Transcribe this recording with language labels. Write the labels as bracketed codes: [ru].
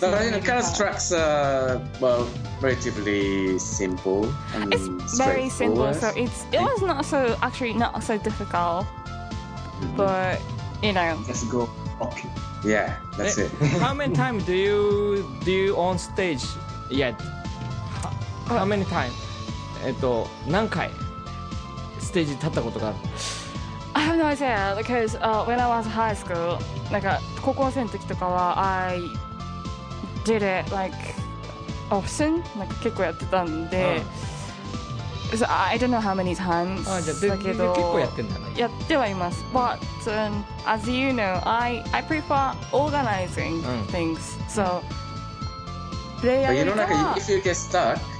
[en] But the kind of tracks are, well, relatively simple. And it's very simple, so it was not so difficult. But, you know. Let's go. Okay. Yeah, that's it. How many times do you on stage yet? How many times? [ja] 何回ステージに立ったことがある [en] ？ I have no idea, because when I was high school, [ja] なんか高校生の時とかは [en] I did it like often, [ja] なんか結構やってたんで、 [en] so I don't know how many times. [ja] あ、じゃあ、だけど結構やってんだね。やってはいます。 [en] But as you know, I prefer organizing things. So play out. But you know, like, if you get stuck.